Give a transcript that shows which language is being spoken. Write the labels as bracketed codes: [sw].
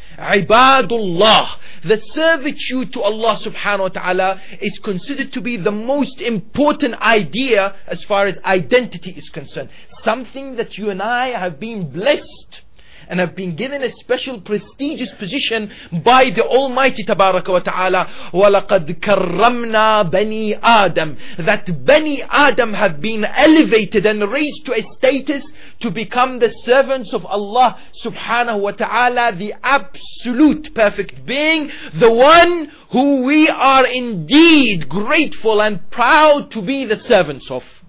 [en] Ibadullah, the servitude to Allah subhanahu wa ta'ala, is considered to be the most important idea as far as identity is concerned. Something that you and I have been blessed and have been given a special prestigious position by the Almighty Tabaraka wa ta'ala. [ar] وَلَقَدْ كَرَّمْنَا بَنِي Adam. [en] That Bani Adam have been elevated and raised to a status to become the servants of Allah subhanahu wa ta'ala, the absolute perfect being, the one who we are indeed grateful and proud to be the servants of.